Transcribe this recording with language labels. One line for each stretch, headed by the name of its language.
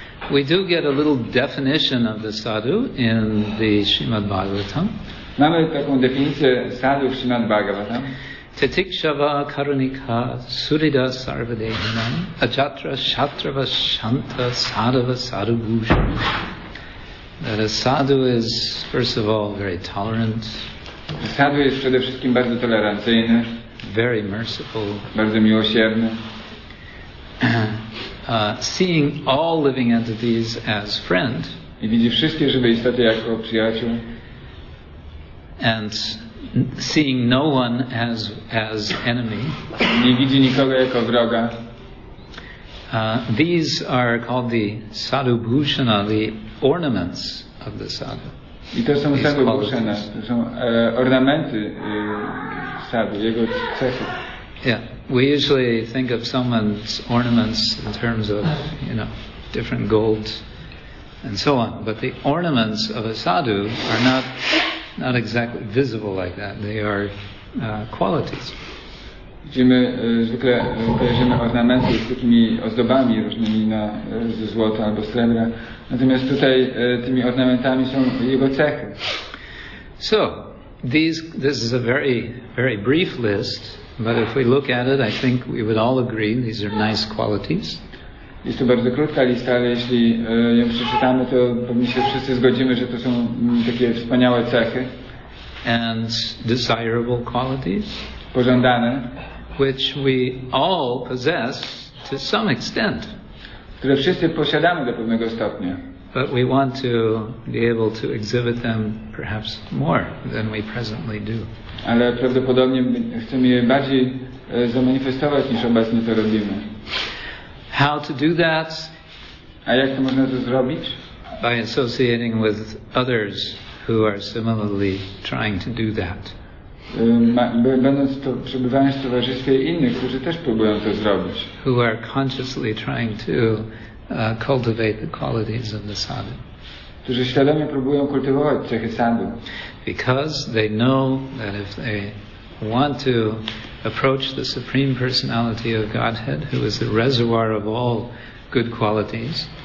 English: We do get a little definition of the sadhu in the Srimad Bhagavatam.
Polish: Mamy taką definicję sadhu w Srimad Bhagavatam.
Sanskrit: Tetikshava karunika surida sarvadehinam ajatra shatrava shanta sadhava sadhubhushan.
English: That a sadhu is, first of all, very tolerant.
Polish: Sadhu jest przede wszystkim bardzo tolerancyjny.
English: Very merciful.
Polish: Bardzo miłosierny.
English: Seeing all living entities as friend.
Polish: I widzi wszystkie żywe istoty jako przyjaciół.
English: And seeing no one as enemy.
Polish: Nie widzi nikogo jako wroga.
English: These are called the sadhu bhushana, the ornaments of the sadhu.
Polish: I to są cechy Bhushana, to są ornamenty sadhu, jego cechy.
English: Yeah, we usually think of someone's ornaments in terms of, you know, different gold and so on. But the ornaments of a sadhu are not exactly visible like that. They are qualities.
Polish: Widzimy zwykle kojarzymy ornamenty z takimi ozdobami różnymi na ze złota albo srebra. Natomiast tutaj tymi ornamentami są jego cechy.
English: So, this is a very, very brief list. But if we look at it, I think we would all agree these are nice qualities.
Polish: Jest to bardzo krótka lista, ale jeśli ją przeczytamy, to pewnie się wszyscy zgodzimy, że to są takie wspaniałe cechy.
English: And desirable qualities.
Polish: Pożądane.
English: Which we all possess to some extent.
Polish: Które wszyscy posiadamy do pewnego stopnia.
English: But we want to be able to exhibit them perhaps more than we presently do.
Polish: Ale prawdopodobnie chcemy je bardziej zamanifestować niż obecnie to robimy.
English: How to do that?
Polish: A jak to można to zrobić?
English: By associating with others who are similarly trying to do that.
Polish: Będąc to przebywając w towarzystwie innych, którzy też próbują to zrobić.
English: Who are consciously trying to cultivate the qualities of the sadhu.
Polish: Którzy świadomie próbują kultywować cechy sadhu.
English: Because they know that if they want to approach the Supreme Personality of Godhead, who is the reservoir of all good qualities,